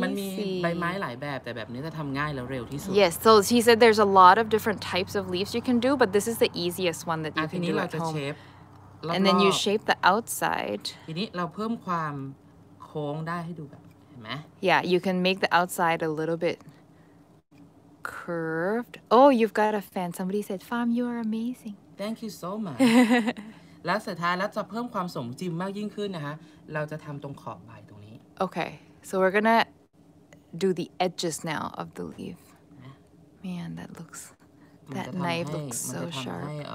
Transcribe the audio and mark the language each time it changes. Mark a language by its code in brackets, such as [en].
[th] มันมีใบไม้หลายแบบแต่แบบนี้จะทำง่ายแล้วเร็วที่สุด [en] Yes so he said there's a lot of different types of leaves you can do but this is the easiest one that you can do at home and then you shape the outside [th] ทีนี้เราเพิ่มความโค้งได้ให้ดูแบบเห็นไหม [en] Yeah you can make the outside a little bit curved Oh you've got a fan somebody said farm you are amazing Thank you so much [th] และสุดท้ายแล้วจะเพิ่มความสมจริงมากยิ่งขึ้นนะฮะเราจะทำตรงขอบใบตรงนี้ [en] Okay so we're gonna do the edges now of the leaf man that looks that knife looks so sharp